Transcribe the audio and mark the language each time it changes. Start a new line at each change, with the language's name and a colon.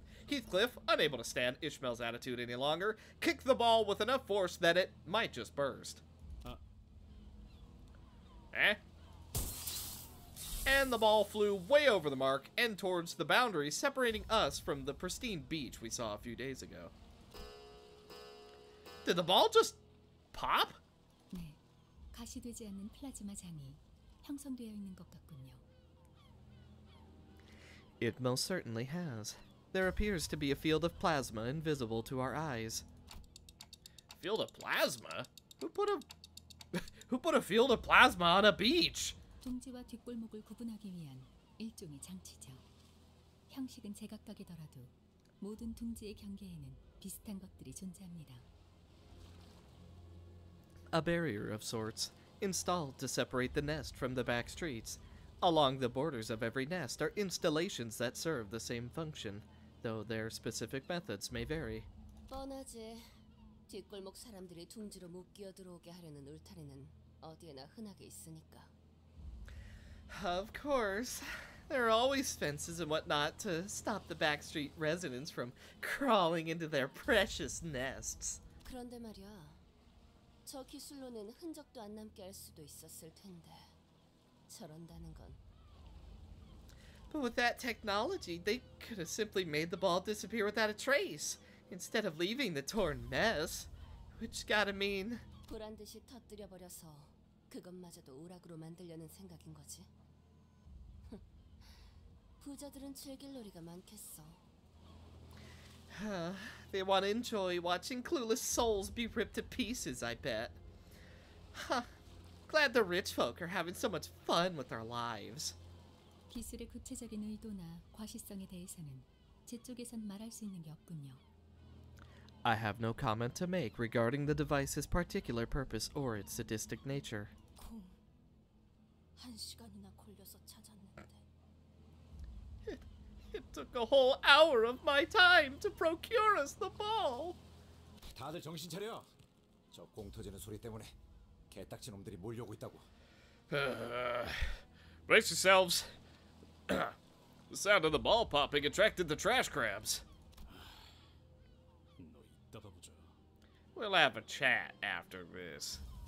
English: Heathcliff, unable to stand Ishmael's attitude any longer, kicked the ball with enough force that it might just burst. And the ball flew way over the mark and towards the boundary separating us from the pristine beach we saw a few days ago. Did the ball just... pop?
Korean: 네, 가시되지 않는 플라즈마 장이 형성되어 있는 것 같군요.
English: It most certainly has. There appears to be a field of plasma invisible to our eyes. Field of plasma? Who put a field of plasma on a beach?
Korean: 둥지와 뒷골목을 구분하기 위한 일종의 장치죠. 형식은 제각각이더라도 모든 둥지의 경계에는 비슷한 것들이 존재합니다.
English: A barrier of sorts, installed to separate the nest from the back streets, Along the borders of every nest are installations that serve the same function, though their specific methods may vary.
Korean: 뻔하지. 뒷골목 사람들이 둥지로 못 끼어들어오게 하려는 울타리는 어디에나 흔하게 있으니까.
English: Of course. There are always fences and whatnot to stop the backstreet residents from crawling into their precious nests.
Korean: 그런데 말이야. 저 기술로는 흔적도 안 남게 할 수도 있었을 텐데. 저런다는 건.
English: But with that technology, they could have simply made the ball disappear without a trace, instead of leaving the torn mess, which gotta mean...
Korean: 불안듯이 터뜨려버려서 그것마저도 오락으로 만들려는 생각인 거지. 부자들은 즐길 놀이가 많겠어.
English: They want to enjoy watching clueless souls be ripped to pieces, I bet. Glad the rich folk are having so much fun with our lives.
Korean: 기술의 구체적인 의도나 과시성에 대해서는 제 쪽에선 말할 수 있는 게 없군요.
English: I have no comment to make regarding the device's particular purpose or its sadistic nature.
Korean: 콩. 한 시간이나 걸려서 찾았는데.
English: It took a whole hour of my time to procure us the ball.
Korean: 다들 정신 차려. 저 공 터지는 소리 때문에 개딱지 놈들이 몰려오고 있다고.
English: Brace yourselves. The sound of the ball popping attracted the trash crabs. We'll have a chat after this.